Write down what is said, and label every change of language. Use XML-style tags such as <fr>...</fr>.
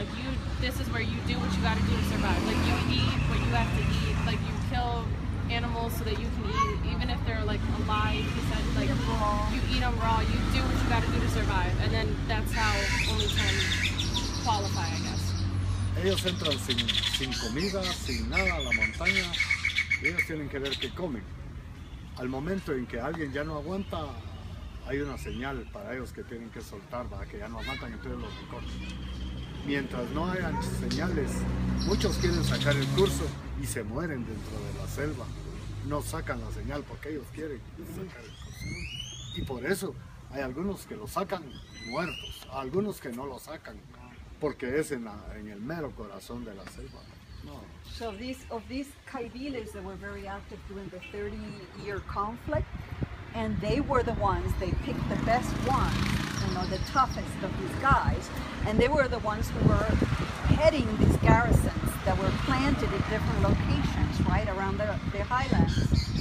<en>Like you, this is where you do what you gotta do to survive. Like you eat what you have to eat, like you kill animals so that you can eat, even if they're like alive, he said, like you eat them raw, you do what you gotta do to survive, and then that's how only 10 qualify, I guess.</en> <es>Ellos entran sin comida, sin nada, a la montaña, y ellos tienen que ver qué comen. Al momento en que alguien ya no aguanta, hay una señal para ellos que tienen que soltar, para que ya no aguantan, entonces los recortan. Mientras no hayan señales, muchos quieren sacar el curso y se mueren dentro de la selva. No sacan la señal porque ellos quieren sacar el curso. Y por eso hay algunos que lo sacan muertos, algunos que no lo sacan, porque es en el mero corazón de la selva. No.</es> <en>So of these Caibiles that were very active during the 30-year conflict, and they were the ones, they picked the best ones, you know, the toughest of these guys, and they were the ones who were heading these garrisons that were planted at different locations, right, around the highlands.</en>